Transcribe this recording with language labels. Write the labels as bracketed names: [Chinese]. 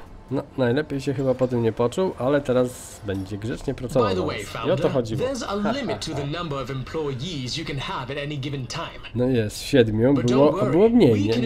[Polish] No, najlepiej się chyba po tym nie poczuł, ale teraz będzie grzecznie pracował. [English] By the way, founder, [Polish] i o to chodziło. [English] There's a limit to the number of employees you can have at any given time. [Polish] No jest, 7 było, a było mniej, nie?